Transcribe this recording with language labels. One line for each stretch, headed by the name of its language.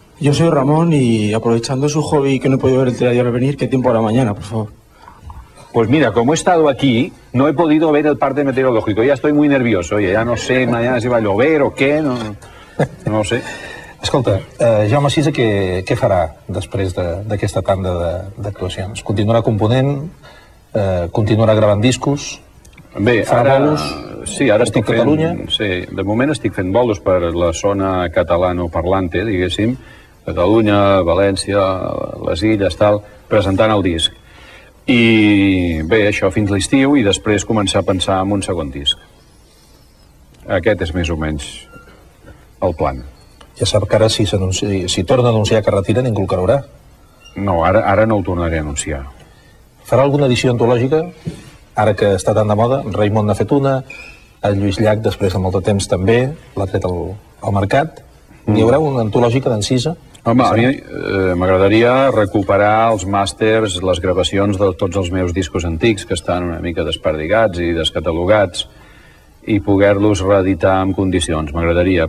Spanish: Yo soy Ramón y aprovechando su hobby que no he podido ver el teatro de venir, ¿qué tiempo hará mañana, por favor? Pues mira, como he estado aquí, no he podido ver el parte meteorológico. Ya estoy muy nervioso, oye, ya no sé mañana si va a llover o qué, no sé.
Catalan: Escolta, Jaume VI, què farà després d'aquesta tanda d'actuacions? Continuarà component? Continuarà gravant discos? Bé, ara... Bolos, sí, ara estic fent... Catalunya. Sí, de moment estic fent bolos per la zona catalanoparlante, diguéssim. Catalunya, València, les Illes, tal, presentant el disc. I bé, això fins l'estiu i després començar a pensar en un segon disc. Aquest és més o menys el plan. Ja sap que ara si torna a anunciar que retira, ningú el creurà. No, ara no el tornaré a anunciar. Farà alguna edició antològica? Ara que està tan de moda, Raimon n'ha fet una, el Lluís Llach després de molt de temps també l'ha tret al mercat. Hi haurà una antològica d'en Cisa? Home, a mi m'agradaria recuperar els màsters, les gravacions de tots els meus discos antics, que estan una mica desperdigats i descatalogats, i poder-los reeditar en condicions, m'agradaria.